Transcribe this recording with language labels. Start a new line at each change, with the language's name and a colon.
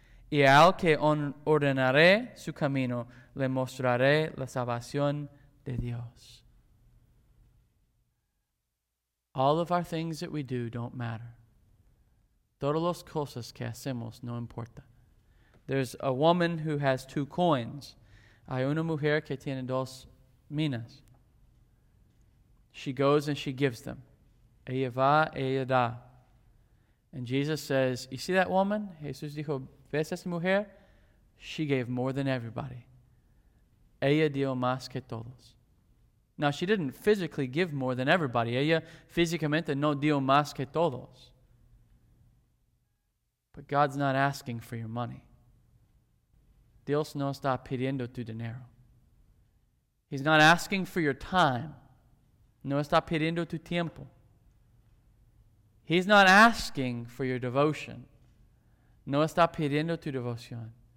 Spanish: Y al que ordenaré su camino, le mostraré la salvación de Dios.
English: All of our things that we do don't matter.
Spanish: Todas las cosas que hacemos no importa.
English: There's a woman who has two coins.
Spanish: Hay una mujer que tiene dos minas.
English: She goes and she gives them.
Spanish: Ella va, ella da.
English: And Jesus says, you see that woman?
Spanish: Jesús dijo, ¿ves esa mujer?
English: She gave more than everybody.
Spanish: Ella dio más que todos.
English: Now, she didn't physically give more than everybody.
Spanish: Ella físicamente no dio más que todos.
English: But God's not asking for your money.
Spanish: Dios no está pidiendo tu dinero.
English: He's not asking for your time.
Spanish: No está pidiendo tu tiempo.
English: He's not asking for your devotion.
Spanish: No está pidiendo tu devoción.